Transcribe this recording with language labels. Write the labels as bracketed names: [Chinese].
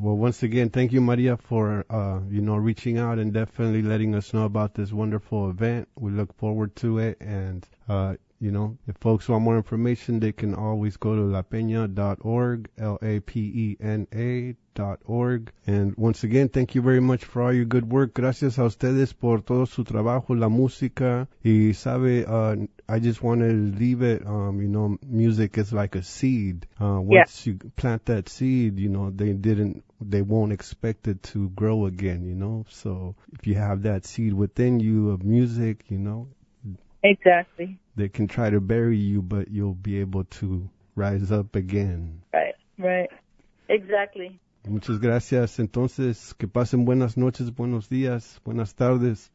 [English] Well, once again, thank you, Maria, for, reaching out and definitely letting us know about this wonderful event. We look forward to it. And, if folks want more information, they can always go to lapeña.org, LAPENA.org. And once again, thank you very much for all your good work. [Spanish] Gracias a ustedes por todo su trabajo, la música. Y sabe, [English] I just want to leave it, music is like a seed. You plant that seed, they won't expect it to grow again, So if you have that seed within you of music, Exactly. They can try to bury you, but you'll be able to rise up again. Right. Exactly. [Spanish] Muchas gracias. Entonces, que pasen buenas noches, buenos días, buenas tardes.